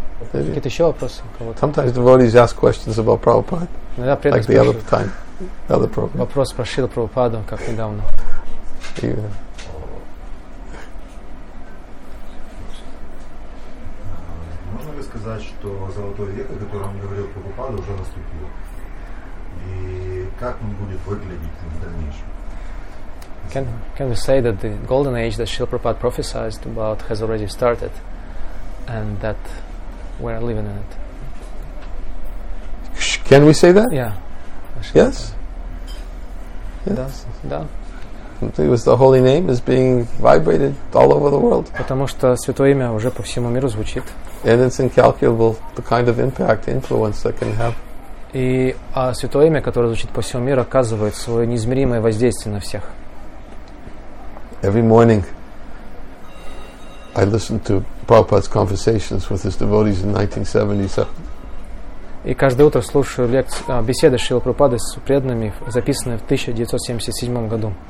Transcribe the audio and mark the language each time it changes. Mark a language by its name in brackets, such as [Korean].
[English] Sometimes devotees ask questions about Prabhupada, like the other time, the other program. [Russian] Вопрос спросил Прабхупаду, как недавно. Сказать, что золотой век, о котором говорил Прабхупада, уже наступил. И как он будет выглядеть в дальнейшем? [English] Can we say that the golden age that Srila Prabhupada prophesized about has already started and that we are living in it? Can we say that? Yeah. Yes? Yes. Да. Because the holy name is being vibrated all over the world. [Russian] Потому что святое имя уже по всему миру звучит. [English] And it's incalculable the kind of impact, influence that can have. [Russian] И святое имя, которое звучит по всему миру, оказывает свое неизмеримое воздействие на всех. [English] Every morning, I listen to Prabhupada's conversations with his devotees in 1977. [Russian] И каждое утро слушаю беседы Шрилы Прабхупады с преданными, записанные в 1977 году.